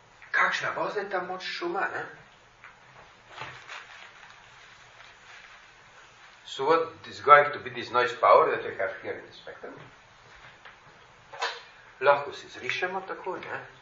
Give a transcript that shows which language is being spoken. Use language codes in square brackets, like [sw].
[sl] Kakšna bo zdaj ta moč šuma, ne? [en] So what is going to be this noise power that we have here in the spectrum? [sl] Lahko si zrišemo tako, ne?